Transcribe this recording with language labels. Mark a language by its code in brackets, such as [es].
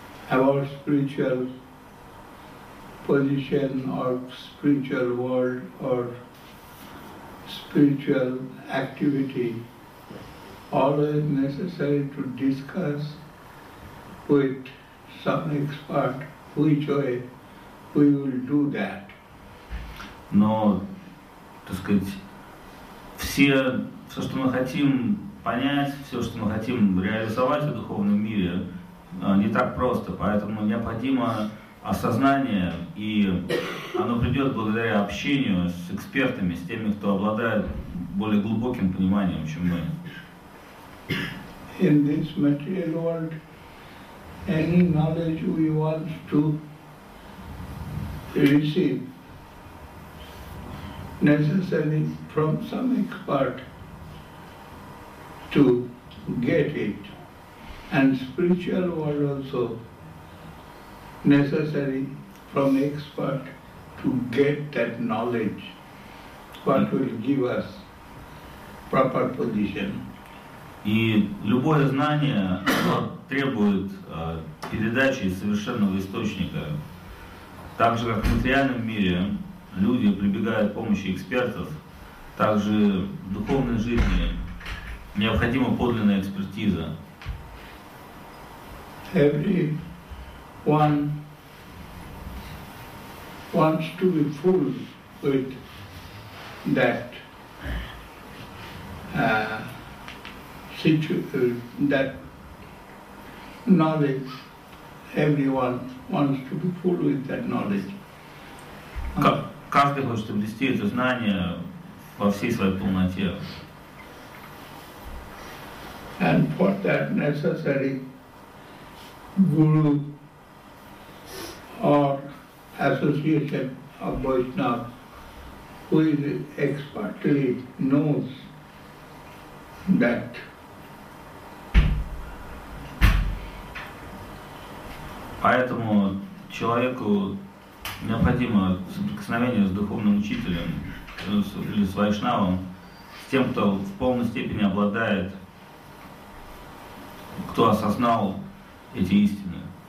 [en] Our spiritual position or spiritual world or spiritual activity always necessary to discuss with some expert which way we will do that. [ru] Но, так сказать, все, что мы хотим понять, все, что мы хотим реализовать в духовном мире, не так просто, поэтому необходимо осознание, и оно придет благодаря общению с экспертами, с теми, кто обладает более глубоким пониманием, чем мы. [en] In this material world, any knowledge we want to receive necessarily from some expert to get it. And spiritual world also necessary from expert to get that knowledge, what will give us proper position. [ru] И любое знание требует передачи из совершенного источника. Так же, как в материальном мире люди прибегают к помощи экспертов, так же в духовной жизни необходима подлинная экспертиза. [en] Everyone wants to be full with that that knowledge. Everyone wants to be full with that knowledge. [ru] Каждый хочет обрести это знание во всей своей полноте. [en] And for that necessary. Guru or association of Vaishnava who is expertly knows that [ru] поэтому человеку необходимо соприкосновение с духовным учителем или с Вайшнавом, с тем, кто в полной степени обладает, кто осознал эти истины.